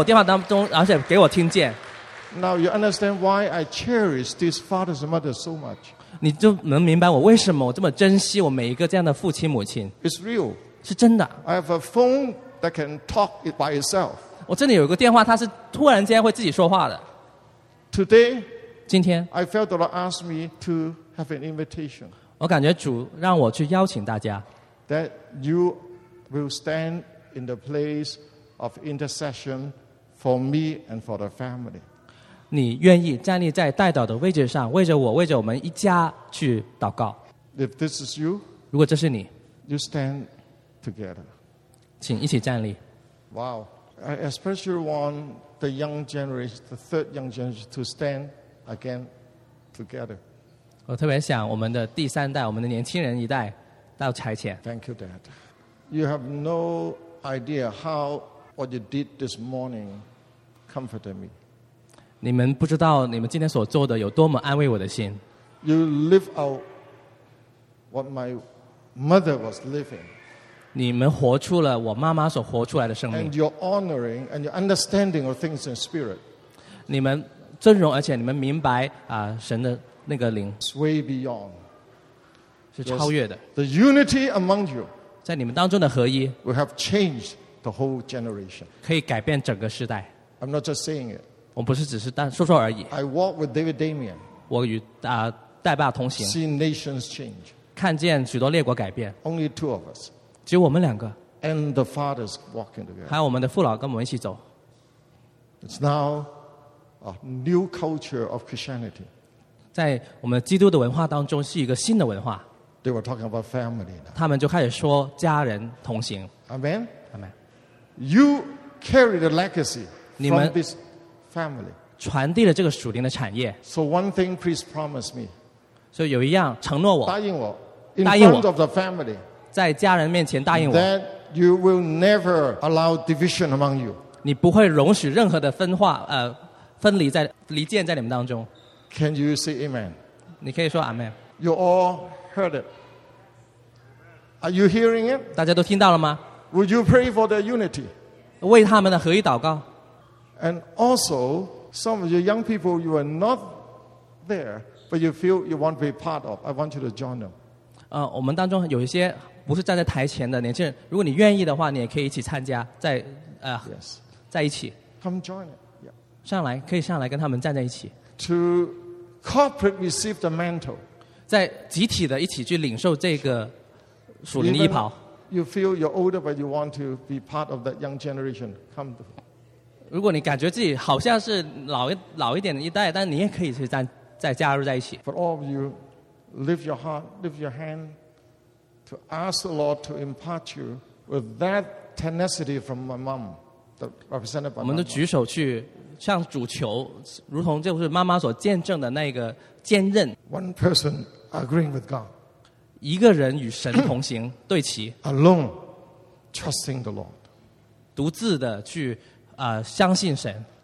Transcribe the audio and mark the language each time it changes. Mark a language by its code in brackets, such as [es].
[zh] 神把她祷告的声音放在我电话当中，而且给我听见。 [en] Now you understand why I cherish these fathers and mothers so much. [zh] 你就能明白我为什么我这么珍惜我每一个这样的父亲母亲。 [en] It's real. [zh] 是真的。 [en] I have a phone that can talk by itself. [zh] 我这里有一个电话，它是突然间会自己说话的。 Today, 今天, [en] I felt the Lord ask me to have an invitation. [zh] 我感觉主让我去邀请大家。 [en] That you will stand in the place of intercession for me and for the family. [zh] 你愿意站立在代祷的位置上，为着我，为着我们一家去祷告。 [en] If this is you, [zh] 如果这是你, [en] you stand together. [zh] 请一起站立。 [en] Wow, I especially want the young generation, the third young generation, to stand again together. [zh] 我特别想我们的第三代，我们的年轻人一代到差遣。 [en] Thank you, Dad. You have no idea how what you did this morning comforted me. [zh] 你们不知道你们今天所做的有多么安慰我的心。 [en] You live out what my mother was living. [zh] 你们活出了我妈妈所活出来的生命。 [en] And you're honoring and you're understanding of things in spirit. [zh] 你们尊荣，而且你们明白啊神的。那个灵 [en] It's way beyond. [zh] 是超越的。 [en] The unity among you, [zh] 在你们当中的合一 [en] will have changed the whole generation. [zh] 可以改变整个世代。 [en] I'm not just saying it. [zh] 我不是只是说说而已。 [en] I walk with David Damian. [zh] 我与戴爸同行。 [en] See nations change. [zh] 看见许多列国改变。 [en] Only two of us. [zh] 只有我们两个。 [en] And the fathers walking together. [zh] 还有我们的父老跟我们一起走。 [en] It's now a new culture of Christianity. [zh] 在我们基督的文化当中是一个新的文化 [en] They were talking about family now. [zh] 他们就开始说家人同行 [en] Amen. Amen. You carry the legacy from this family [zh] 传递了这个属灵的产业 [en] So one thing please promise me [zh] 所以有一样承诺我答应我 [en] in front of the family [zh] 在家人面前答应我 [en] that you will never allow division among you [zh] 你不会容许任何的分化分离在离间在你们当中 [en] Can you say amen? [zh] 你可以说 amen. [en] You all heard it. Are you hearing it? [zh] 大家都听到了吗? [en] Would you pray for their unity? [zh] 为他们的合一祷告。 [en] And also, some of your young people, you are not there, but you feel you want to be part of. I want you to join them. [zh] 我们当中有一些不是站在台前的年轻人，如果你愿意的话，你也可以一起参加，在 [en] yes. [zh] 在一起。 [en] Come join it. Yeah. [zh] 上来，可以上来跟他们站在一起。 [en] To corporate receive the mantle, [zh] 在集体的一起去领受这个属灵的衣袍。 [en] You feel you're older, but you want to be part of that young generation. Come. [zh] 如果你感觉自己好像是老一点的一代，但你也可以去再加入在一起。 [en] For all of you, lift your heart, lift your hand to ask the Lord to impart you with that tenacity from my mom, the representative. [zh] 我们都举手去。向主求，如同就是妈妈所见证的那个坚韧。 [en] One person agreeing with God， [zh] 一个人与神同行，对齐。 [en] Alone, trusting the Lord， [zh] 独自的去相信神。